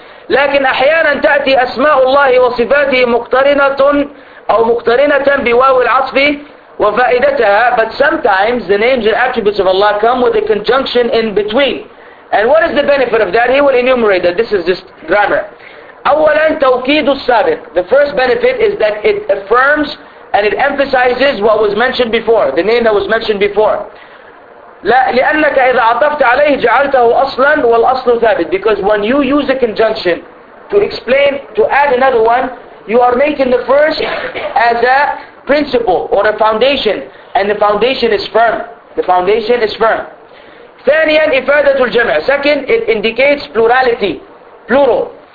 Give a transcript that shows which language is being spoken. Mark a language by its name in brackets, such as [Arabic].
[Arabic] لكن أحيانا تأتي أسماء الله وصفاته مقترنة أو مقترنة بواو العطف وفائدتها. [English] But sometimes the names and attributes of Allah come with a conjunction in between. And what is the benefit of that? He will enumerate that. This is just grammar. [Arabic] أولا توكيد السابق. [English] The first benefit is that it affirms and it emphasizes what was mentioned before, the name that was mentioned before. [Arabic] لا, لأنك إذا عطفت عليه جعلته أصلا والأصل ثابت. [English] Because when you use a conjunction to explain, to add another one, you are making the first as a principle or a foundation, and the foundation is firm. The foundation is firm. [Arabic] ثانيا إفادة الجمع. [English] Second, it indicates plurality, plural.